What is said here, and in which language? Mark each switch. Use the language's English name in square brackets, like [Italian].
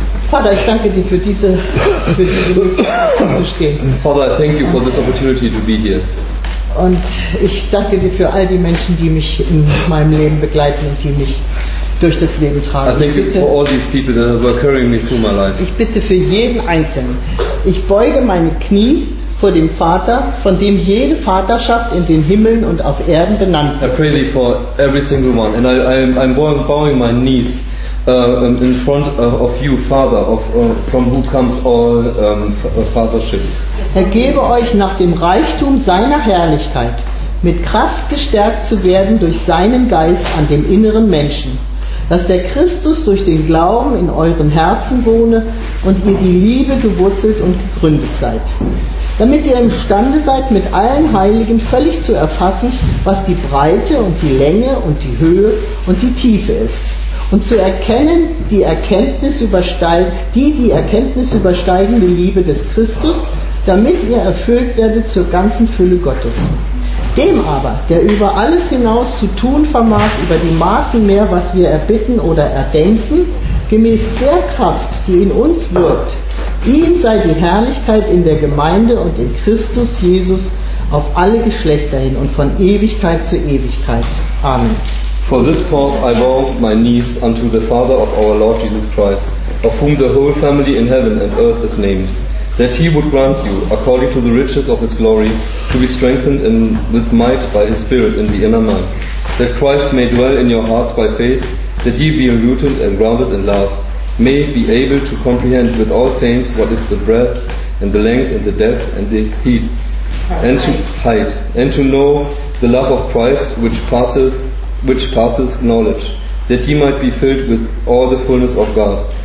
[German] Vater, ich danke dir für diese Möglichkeit zu stehen. [English] Father, I thank you for this opportunity to be here. [German] Und ich danke dir für all die Menschen, die mich in meinem Leben begleiten und die mich durch das Leben tragen. [English] I thank you for all these people that are carrying me through my life. [German] Ich bitte für jeden Einzelnen. Ich beuge meine Knie vor dem Vater, von dem jede Vaterschaft in den Himmeln und auf Erden benannt wird. [English] I pray thee for every single one. And I'm bowing my knees. In front of you, Father, from who comes all fathership. [German] Er gebe euch nach dem Reichtum seiner Herrlichkeit, mit Kraft gestärkt zu werden durch seinen Geist an dem inneren Menschen, dass der Christus durch den Glauben in euren Herzen wohne und ihr die Liebe gewurzelt und gegründet seid, damit ihr imstande seid, mit allen Heiligen völlig zu erfassen, was die Breite und die Länge und die Höhe und die Tiefe ist. Und zu erkennen, die Erkenntnis übersteigende Liebe des Christus, damit ihr erfüllt werdet zur ganzen Fülle Gottes. Dem aber, der über alles hinaus zu tun vermag, über die Maßen mehr, was wir erbitten oder erdenken, gemäß der Kraft, die in uns wirkt, ihm sei die Herrlichkeit in der Gemeinde und in Christus Jesus auf alle Geschlechter hin und von Ewigkeit zu Ewigkeit. Amen. [English] For this cause I bow my knees unto the Father of our Lord Jesus Christ, of whom the whole family in heaven and earth is named, that he would grant you, according to the riches of his glory, to be strengthened with might by his Spirit in the inner man, that Christ may dwell in your hearts by faith, that ye, being rooted and grounded in love, may be able to comprehend with all saints what is the breadth and the length and the depth and the heat, and to height, and to know the love of Christ which passeth knowledge, that ye might be filled with all the fullness of God.